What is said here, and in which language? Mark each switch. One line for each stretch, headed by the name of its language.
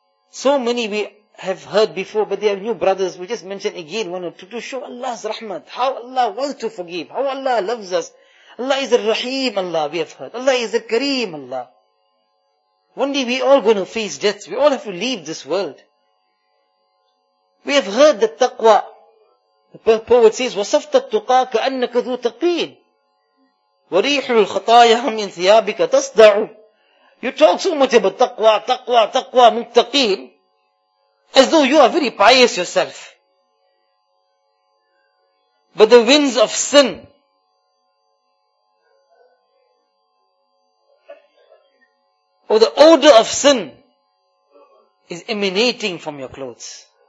English: So many we have heard before, but they are new brothers. We just mention again one or two to show Allah's rahmat. How Allah wants to forgive. How Allah loves us. Allah is a Rahim Allah, we have heard. Allah is a Kareem Allah. One day we all going to face death. We all have to leave this world. We have heard the taqwa. The poet says,
Arabic: وَصَفْتَ التُّقَى كَأَنَّكَ ذُو تَقِينَ وَرِيحُ الْخَطَايَهَا مِنْ ثِيَابِكَ تَصْدَعُ.
English: You talk so much about taqwa, taqwa, taqwa, muttaqeen, as though you are very pious yourself. But the winds of sin, or the odor of sin, is emanating from your clothes.